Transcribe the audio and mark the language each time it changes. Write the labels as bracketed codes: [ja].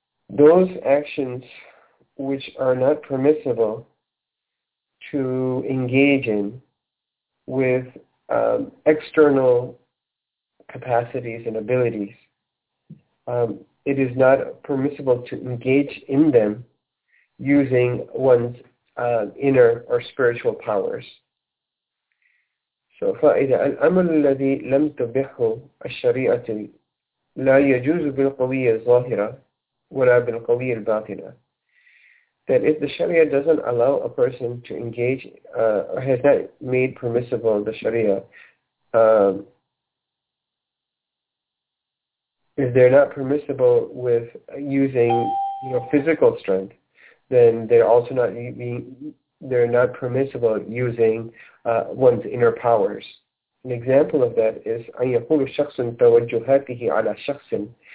[en] Those actions which are not permissible to engage in with external capacities and abilities. It is not permissible to engage in them using one's inner or spiritual powers. [ar] So, فإذا الأمر الذي لم تبحه الشريعة لا يجوز بالقوية الظاهرة ولا بالقوية الباطنة. [en] That if the Sharia doesn't allow a person to engage, or has not made permissible the Sharia, if they're not permissible with using, you know, physical strength, then they're also not being, they're not permissible using one's inner powers. An example of that is [ar] أن يقول شخص توجهاته على شخص.